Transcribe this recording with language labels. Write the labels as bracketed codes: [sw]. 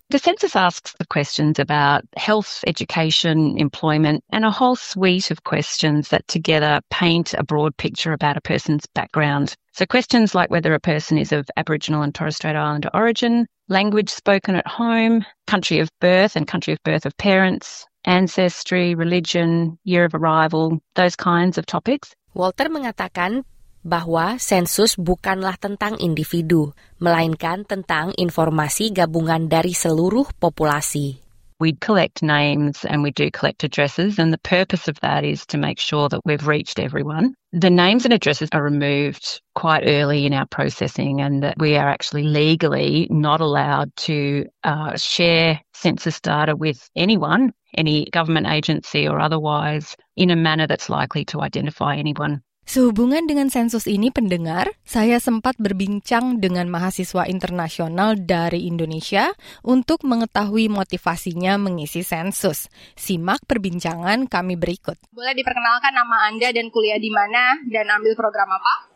[en] The census asks the questions about health, education, employment, and a whole suite of questions that together paint a broad picture about a person's background. So questions like whether a person is of Aboriginal and Torres Strait Islander origin, language spoken at home, country of birth and country of birth of parents, ancestry, religion, year of arrival, those kinds of topics. [id] Walter mengatakan bahwa sensus bukanlah tentang individu, melainkan tentang informasi gabungan dari seluruh populasi. [en] We collect names and we do collect addresses, and the purpose of that is to make sure that we've reached everyone. The names and addresses are removed quite early in our processing, and that we are actually legally not allowed to share census data with anyone, any government agency or otherwise, in a manner that's likely to identify anyone. [id] Sehubungan dengan sensus ini, pendengar, saya sempat berbincang dengan mahasiswa internasional dari Indonesia untuk mengetahui motivasinya mengisi sensus. Simak perbincangan kami berikut. Boleh diperkenalkan nama Anda dan kuliah di mana dan ambil program apa?